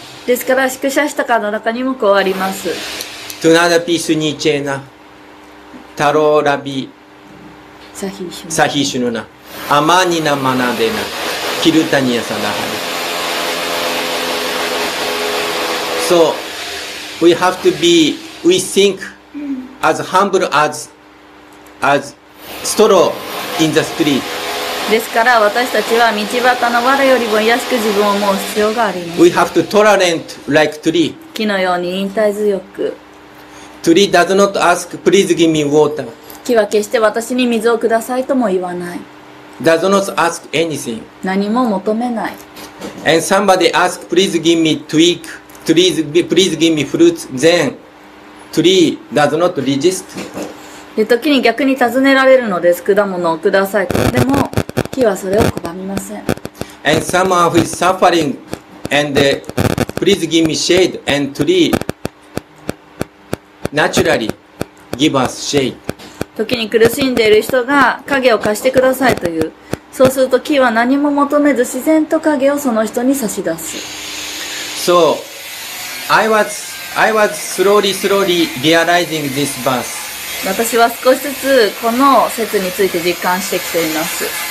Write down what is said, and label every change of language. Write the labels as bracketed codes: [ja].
[ja] ですからシクシャシタカンの中にもこうあります。 [sa] トゥナダピスニチェナタローラビサヒシュヌナアマニナマナデナキルタニヤサダハリ。 [en] So we have to be, we think as humble as straw in the street. [ja] ですから私たちは道端の藁よりも卑しく自分を思う必要があります。 [en] We have to tolerant like tree. [ja] 木のように忍耐強く。 [en] Tree does not ask, please give me water. [ja] 木は決して私に水をくださいとも言わない。 [en] Does not ask anything. [ja] 何も求めない。 [en] And somebody ask, please give me twig. Please give me fruits. Then tree does not resist. [ja] で時に逆に尋ねられるのです。果物をくださいと。でも木はそれを拒みません。 [en] And someone who is suffering and please give me shade and tree naturally give us shade. [ja] 時に苦しんでいる人が影を貸してくださいという。そうすると木は何も求めず自然と影をその人に差し出す。 [en] So I was slowly realizing this verse. [ja] 私は少しずつこの説について実感してきています。